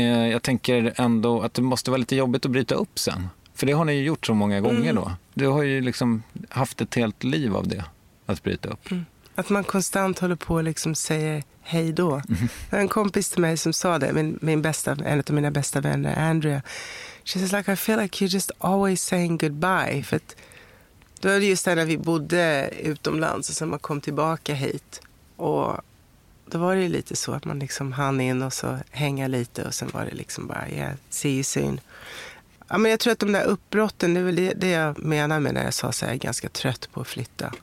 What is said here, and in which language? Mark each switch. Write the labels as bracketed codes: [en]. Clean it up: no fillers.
[sv] Jag tänker ändå att det måste vara lite jobbigt att bryta upp sen. För det har ni ju gjort så många gånger då. Du har ju liksom haft ett helt liv av det, att bryta upp. Mm. Att man konstant håller på och liksom säger hej då. Mm. En kompis till mig som sa det, en av mina bästa vänner, Andrea. [en] She says like, I feel like you're just always saying goodbye. [sv] För att då var det just där när vi bodde utomlands och sen man kom tillbaka hit. Och då var det lite så att man liksom hann in och så hänga lite och sen var det liksom bara, [en] yeah, see you soon. [sv] Ja, men jag tror att de där uppbrotten, det är väl det jag menar med när jag sa så här, jag är ganska trött på att flytta.